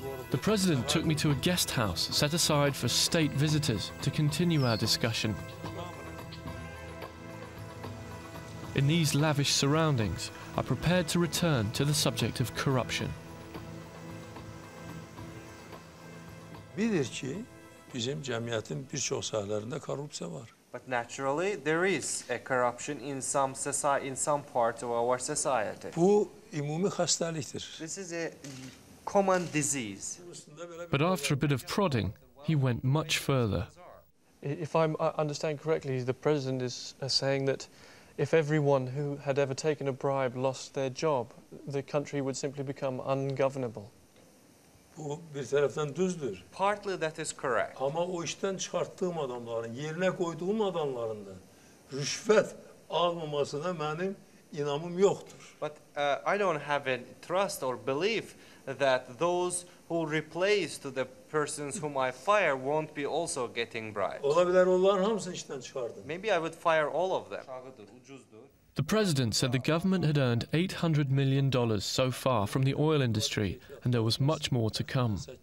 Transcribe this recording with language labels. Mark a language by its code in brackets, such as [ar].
[en] The president took me to a guest house set aside for state visitors to continue our discussion. In these lavish surroundings, I prepared to return to the subject of corruption. [az] Bilir ki bizim cemiyetin birçok sahalarında korrupsiya var. [en] But naturally, there is a corruption in some society, in some parts of our society. [az] Bu imumi hastalıktır. [en] This is a common disease. But after a bit of prodding, he went much further. If I understand correctly, the president is saying that if everyone who had ever taken a bribe lost their job, the country would simply become ungovernable. [az] Bu bir taraftan düzdür. [en] Partly that is correct. [az] Ama o işten çıkarttığım adamların, yerine koyduğum adamların da rüşvet almamasına benim inamım yoktur. [en] But I don't have a trust or belief that those who replace to the persons whom I fire won't be also getting bribes. [az] Olabilir onların hamısını işten çıkardım. [en] Maybe I would fire all of them. The president said the government had earned $800 million so far from the oil industry, and there was much more to come.